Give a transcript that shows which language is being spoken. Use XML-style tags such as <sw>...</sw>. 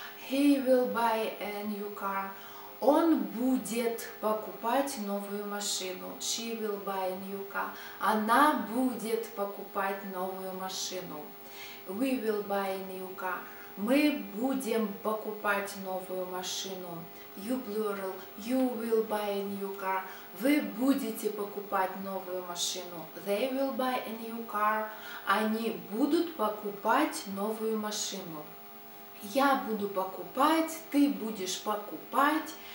<en>He will buy a new car.</en> <ru>Он будет покупать новую машину.</ru> <en>She will buy a new car.</en> <ru>Она будет покупать новую машину.</ru> <en>We will buy a new car.</en> <ru>Мы будем покупать новую машину.</ru> <en>You plural, you will buy a new car.</en> <ru>Вы будете покупать новую машину.</ru> <en>They will buy a new car.</en> <ru>Они будут покупать новую машину. Я буду покупать, ты будешь покупать.</ru>